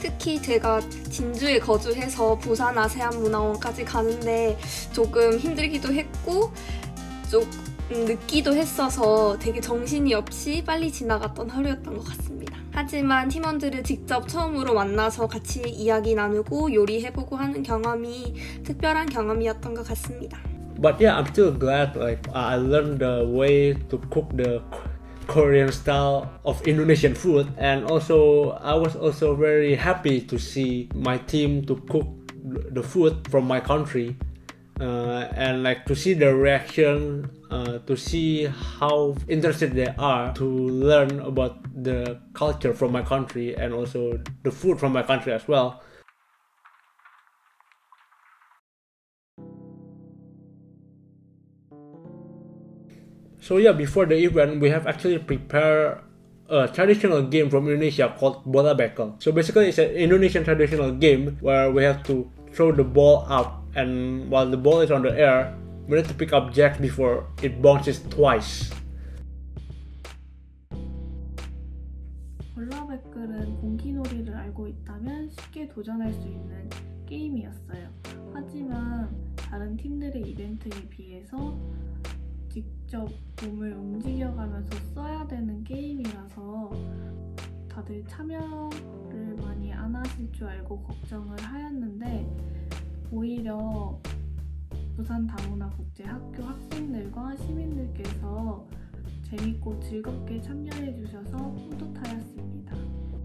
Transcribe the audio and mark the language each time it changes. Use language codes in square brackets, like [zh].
[ko] 특히 제가 진주에 거주해서 부산 아세안 문화원까지 가는데 조금 힘들기도 했고 늦기도 했어서 되게 정신이 없이 빨리 지나갔던 하루였던 것 같습니다. 하지만 팀원들을 직접 처음으로 만나서 같이 이야기 나누고 요리해보고 하는 경험이 특별한 경험이었던 것 같습니다. [en] But yeah, I'm still glad like I learned the way to cook the Korean style of Indonesian food, and also I was also very happy to see my team to cook the food from my country. And like to see the reaction, to see how interested they are to learn about the culture from my country and also the food from my country as well. So yeah, before the event, we have actually prepared a traditional game from Indonesia called Bola Bekel. So basically, it's an Indonesian traditional game where we have to throw the ball up. And while the ball is on the air, we need to pick up jacks before it bounces twice. [ko] 볼라베끌은 공기놀이를 알고 있다면 쉽게 도전할 수 있는 게임이었어요. 하지만 다른 팀들의 이벤트에 비해서 직접 몸을 움직여가면서 써야 되는 게임이라서 다들 참여를 많이 안 하실 줄 알고 걱정을 하였는데 오히려 부산 다문화 국제 학교 학생들과 시민들께서 재밌고 즐겁게 참여해 주셔서 뿌듯하였습니다.